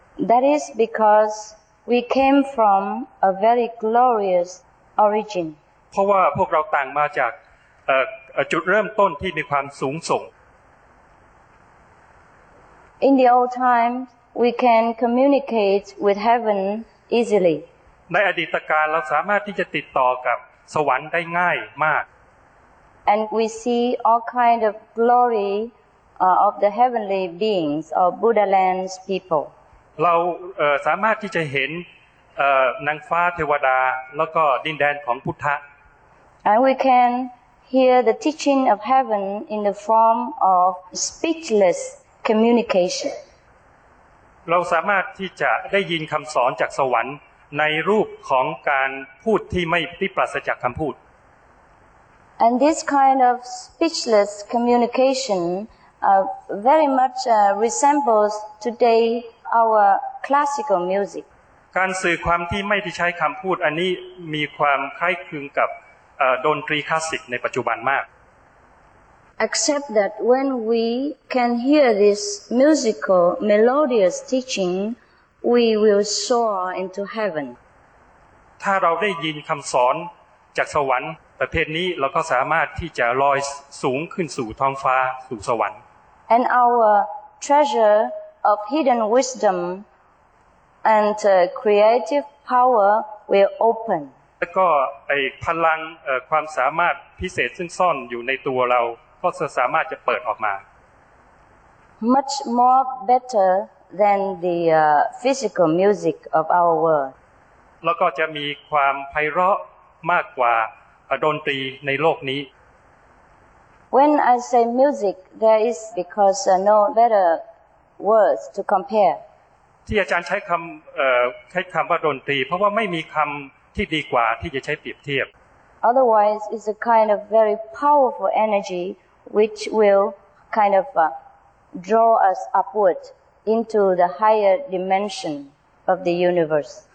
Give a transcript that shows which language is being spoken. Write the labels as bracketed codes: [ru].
[en] That is because we came from a very glorious origin [th] เพราะว่าพวกเราต่างมาจากจุดเริ่มต้นที่มีความสูงส่ง [en] In the old time we can communicate with heaven easily [th] ในอดีตการเราสามารถที่จะติดต่อกับสวรรค์ได้ง่ายมาก [en] And we see all kind of glory of the heavenly beings of Buddha land's people [th] เราสามารถที่จะเห็นนางฟ้าเทวดาแล้วก็ดินแดนของพุทธะ [en] And we can hear the teaching of heaven in the form of speechless communication [th] เราสามารถที่จะได้ยินคำสอนจากสวรรค์ในรูปของการพูดที่ไม่ที่ปราศจากคำพูด [en] And this kind of speechless communication very much resembles today our classical music [th] การสื่อความที่ไม่ได้ใช้คำพูดอันนี้มีความคล้ายคลึงกับดนตรีคลาสสิกในปัจจุบันมาก [en] Except that when we can hear this musical melodious teachingWe will soar into heaven. [th] ถ้าเราได้ยินคำสอนจากสวรรค์ประเภทนี้เราก็สามารถที่จะลอยสูงขึ้นสู่ท้องฟ้าสู่สวรรค์ [en] And our treasure of hidden wisdom and creative power will open. [th] แล้วก็ไอ้พลังความสามารถพิเศษซึ่งซ่อนอยู่ในตัวเราก็จะสามารถจะเปิดออกมา [en] Much more betterthan the physical music of our world [th] แล้วก็จะมีความไพเราะมากกว่าดนตรีในโลกนี้ [en] When I say music there is because no better words to compare [th] ที่อาจารย์ใช้คำว่าดนตรีเพราะว่าไม่มีคำที่ดีกว่าที่จะใช้เปรียบเทียบ [en] Otherwise it's a kind of very powerful energy which will kind of draw us upwardinto the higher dimension of the universe